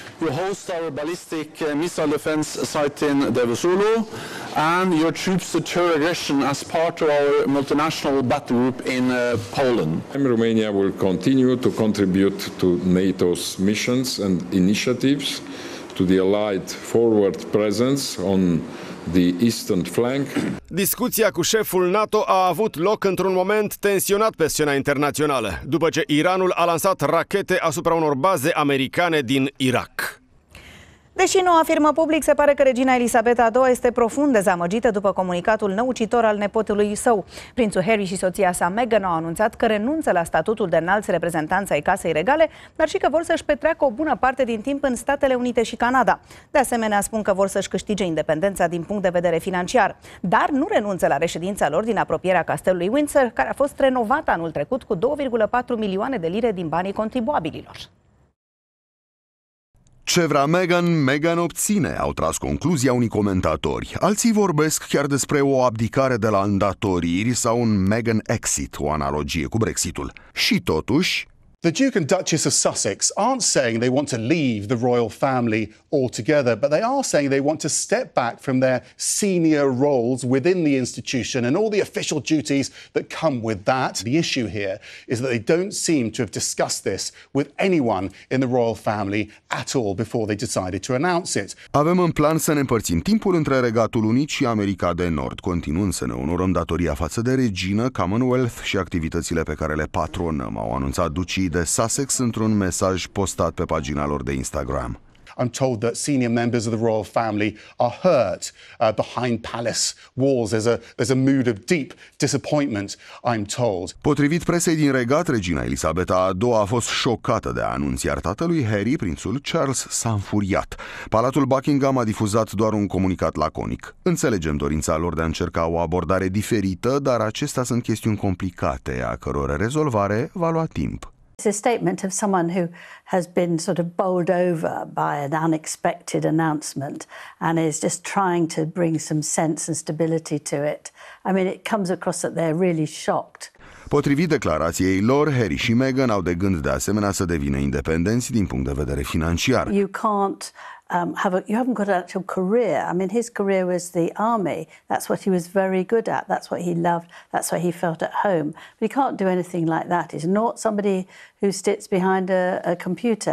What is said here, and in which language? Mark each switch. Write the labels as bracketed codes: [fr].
[en] You host our ballistic missile defense site in Devosulu, and your troops deter aggression as part of our multinational battle group in Poland. Romania will continue to contribute to NATO's missions and initiatives, to the Allied forward presence on the eastern flank. [ro] Discuția cu șeful NATO a avut loc într-un moment tensionat pe scena internațională, după ce Iranul a lansat rachete asupra unor baze americane din Irak. Deși nu afirmă public, se pare că regina Elisabeta II este profund dezamăgită după comunicatul năucitor al nepotului său. Prințul Harry și soția sa Meghan au anunțat că renunță la statutul de înalt reprezentant ai casei regale, dar și că vor să-și petreacă o bună parte din timp în Statele Unite și Canada. De asemenea, spun că vor să-și câștige independența din punct de vedere financiar, dar nu renunță la reședința lor din apropierea castelului Windsor, care a fost renovată anul trecut cu 2,4 milioane de lire din banii contribuabililor. Ce vrea Meghan, Meghan obține, au tras concluzia unii comentatori. Alții vorbesc chiar despre o abdicare de la îndatoriri sau un Meghan exit, o analogie cu Brexitul. Și totuși... [en] The Duke and Duchess of Sussex aren't saying they want to leave the royal family altogether, but they are saying they want to step back from their senior roles within the institution and all the official duties that come with that. The issue here is that they don't seem to have discussed this with anyone in the royal family at all before they decided to announce it. [ro] Avem în plan să ne împărțim timpul între Regatul Unit și America de Nord, continuând să ne onorăm datoria față de regină, Commonwealth și activitățile pe care le patronăm, au anunțat ducii de Sussex într-un mesaj postat pe pagina lor de Instagram. [en] I'm told that senior members of the royal family are hurt behind palace walls. There's a mood of deep disappointment, I'm told. [ro] Potrivit presei din regat, regina Elisabeta a II a fost șocată de anunț, iar tatălui Harry, prințul Charles, s-a înfuriat. Palatul Buckingham a difuzat doar un comunicat laconic. Înțelegem dorința lor de a încerca o abordare diferită, dar acestea sunt chestiuni complicate, a căror rezolvare va lua timp. [en] It's a statement of someone who has been sort of bowled over by an unexpected announcement and is just trying to bring some sense and stability to it. I mean, it comes across that they're really shocked. [ro] Potrivit declarației lor, Harry și Meghan au de gând de asemenea să devină independenți din punct de vedere financiar. [en] You can't you haven't got an actual career. I mean, his career was the army. That's what he was very good at. That's what he loved. That's what he felt at home. But he can't do anything like that. He's not somebody who sits behind a computer.